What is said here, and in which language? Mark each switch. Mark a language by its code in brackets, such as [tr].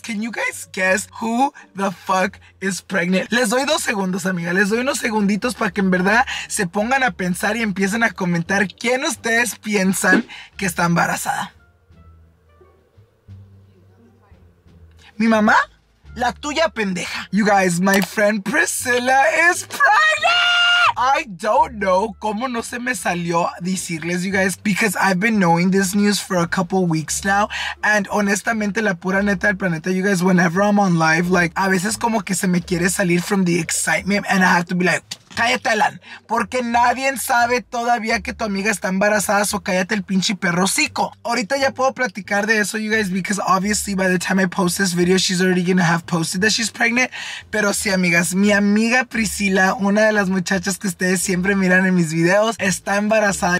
[en] Can you guys guess who the fuck is pregnant? [es] Les doy 2 segundos, amiga. Les doy unos segunditos para que en verdad se pongan a pensar y empiecen a comentar quién ustedes piensan que está embarazada. ¿Mi mamá? La tuya, pendeja. [en] You guys, my friend Priscilla is pregnant. I don't know [es] cómo no se me salió decirles, [en] you guys, because I've been knowing this news for a couple weeks now, and [es] honestamente, la pura neta del planeta, [en] you guys, whenever I'm on live, like, [es] a veces como que se me quiere salir [en] from the excitement, and I have to be like, [es] cállate, Alan, porque nadie sabe todavía que tu amiga está embarazada, so cállate el pinche perro hocico. Ahorita ya puedo platicar de eso, [en] you guys, because obviously by the time I post this video, she's already gonna have posted that she's pregnant. [es] Pero sí, amigas, mi amiga Priscila, una de las muchachas que ustedes siempre miran en mis videos, está embarazada.